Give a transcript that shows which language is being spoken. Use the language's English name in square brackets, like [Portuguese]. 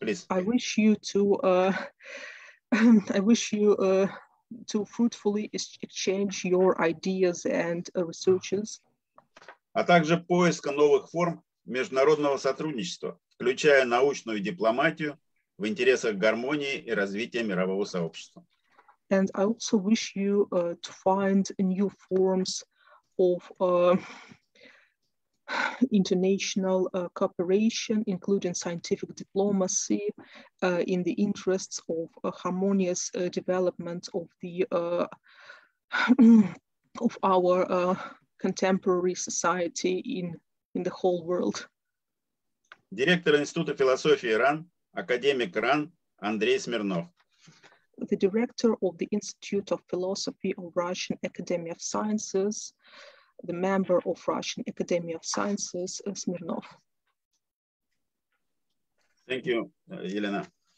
[English] I wish you to, to fruitfully exchange your ideas and researches. [Russian] А также поиска новых форм международного сотрудничества, включая научную дипломатию в интересах гармонии и развития мирового сообщества. [English] And I also wish you to find new forms of international cooperation, including scientific diplomacy, in the interests of a harmonious development of the of our contemporary society in the whole world. [Russian] Директор Института философии Иран, академик РАН Андрей Смирнов. [English] The director of the Institute of Philosophy of Russian Academy of Sciences, the member of Russian Academy of Sciences, Smirnov. Thank you, Elena.